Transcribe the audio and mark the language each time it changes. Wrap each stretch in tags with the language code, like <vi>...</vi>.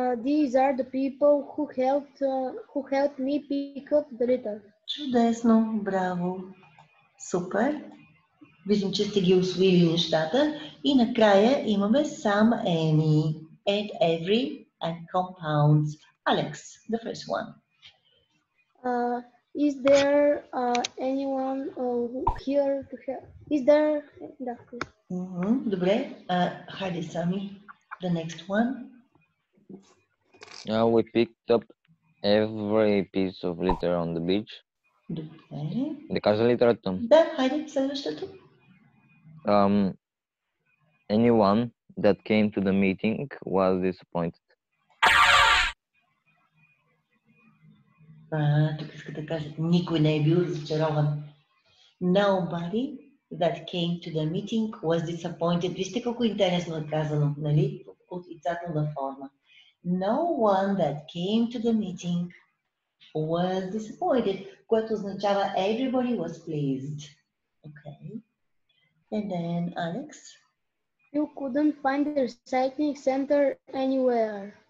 <en>These are the people who helped me pick up the litter.</en> <bg>Чудесно, браво, супер. Виждам, че сте ги усвоили нещата. И накрая имаме Sam, Amy, Ed, Avery and compounds.</bg> <en>Alex, the first one. Is there anyone here to help? Is there?</en> <bg>Добре. Хайде, Сами,</bg> <en>the next one. We picked up every piece of litter on the beach.</en> <bg>Добре. Да кажа литерата. Да, хайде, следващото.</bg> <en>Anyone that came to the meeting was disappointed.</en> <bg>Тук иска да кажа, никой не е бил разочарован.</bg> <en>Nobody that came to the meeting was disappointed.</en> <bg>Вижте колко интересно е казано, нали? От отрицателна форма.</bg> <en>No one that came to the meeting was disappointed,</en> <bg>което означава</bg> <en>everybody was pleased. Okay. And then, Alex? You couldn't find the recycling center anywhere.</en>